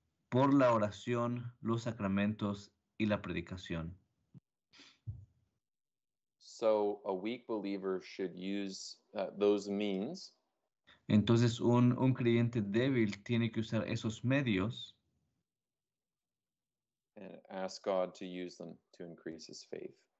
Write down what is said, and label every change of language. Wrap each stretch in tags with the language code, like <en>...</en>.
<es>Por la oración, los sacramentos y la predicación.</es> <en>So a weak believer should use those means.</en> <es>Entonces un creyente débil tiene que usar esos medios.</es> <en>And ask God to use them to increase his faith.</en>